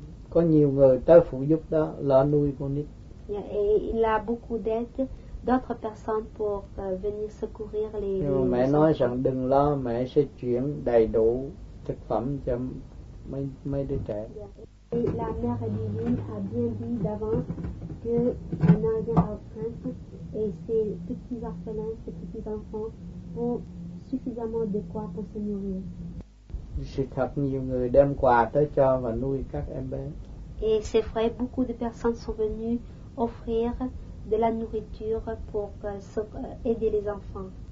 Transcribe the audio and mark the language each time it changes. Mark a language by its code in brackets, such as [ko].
[vi] Có nhiều người tới phụ giúp đó, lo nuôi con nít. [fr] Et il a beaucoup d'aide d'autres personnes pour venir secourir les. [vi] Mẹ nói enfants. Rằng đừng lo, mẹ sẽ chuyển đầy đủ thực phẩm cho mấy đứa trẻ. [fr] Et la mère divine a bien dit d'avance qu'on a rien à craindre et ses petits orphelins, ses petits enfants vont suffisamment de quoi pour se nourrir. [vi] Sự thật nhiều người đem quà tới cho và nuôi các em bé. [fr] Et c'est vrai, beaucoup de personnes sont venues offrir de la nourriture pour aider les enfants.